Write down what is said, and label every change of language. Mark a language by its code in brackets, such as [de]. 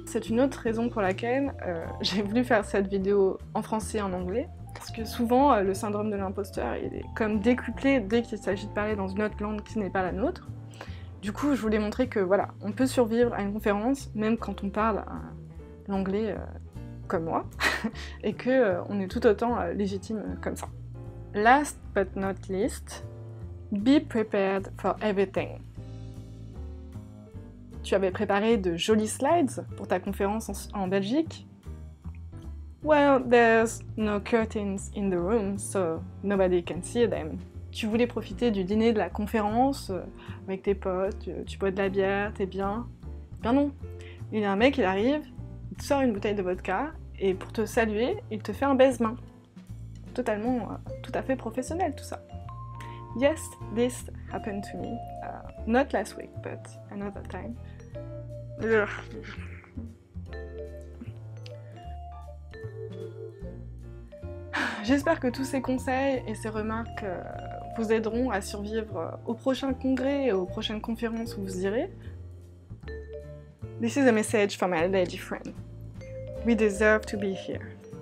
[fr] C'est une autre raison pour laquelle j'ai voulu faire cette vidéo en français et en anglais, parce que souvent le syndrome de l'imposteur il est comme décuplé dès qu'il s'agit de parler dans une autre langue qui n'est pas la nôtre. Du coup je voulais montrer que voilà, on peut survivre à une conférence même quand on parle l'anglais comme moi, et que on est tout autant légitime comme ça. [en] Last but not least, be prepared for everything. [fr] Tu avais préparé de jolis slides pour ta conférence en Belgique. [en] Well, there's no curtains in the room, so nobody can see them. [fr] Tu voulais profiter du dîner de la conférence avec tes potes, tu bois de la bière, t'es bien. Ben non, il y a un mec, il arrive, il te sort une bouteille de vodka, et pour te saluer, il te fait un baise-main. Totalement, tout à fait professionnel tout ça. [en] Yes, this happened to me. Not last week, but another time. [fr] J'espère que tous ces conseils et ces remarques vous aideront à survivre au prochain congrès et aux prochaines conférences où vous irez. [en] This is a message from my lady friend. We deserve to be here.